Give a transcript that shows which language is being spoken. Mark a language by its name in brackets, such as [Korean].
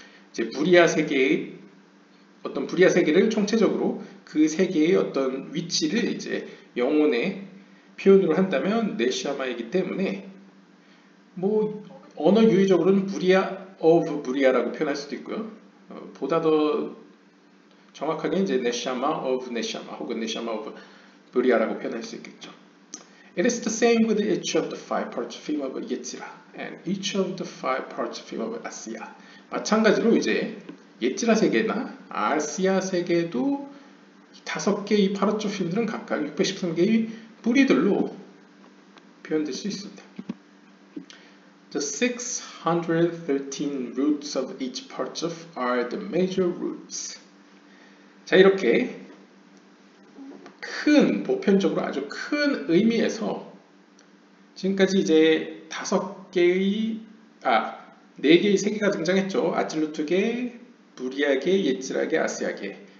[Korean] 이제 부리아 세계의 어떤 부리아 세계를 총체적으로 그 세계의 어떤 위치를 이제 영혼의 표현으로 한다면 네샤마이기 때문에 뭐 언어 유의적으로는 부리아 of 부리아라고 표현할 수도 있고요. 보다 더 정확하게 이제 네샤마 of 네샤마 혹은 네샤마 of 부리아라고 표현할 수 있겠죠. [English] It is the same with each of the five parts of female of Yetzirah and each of the five parts of female of Asiya. [Korean] 마찬가지로 이제 예찌라 세계나 아시아 세계도 다섯 개의 파르초핌들은 각각 613개의 뿌리들로 표현될 수 있습니다. [English] The 613 roots of each parchof are the major roots. [Korean] 자, 이렇게 큰, 보편적으로 아주 큰 의미에서 지금까지 이제 다섯 개의, 네 개의 세계가 등장했죠. 아질루트계, 부리아계, 예찌라계, 아스야계.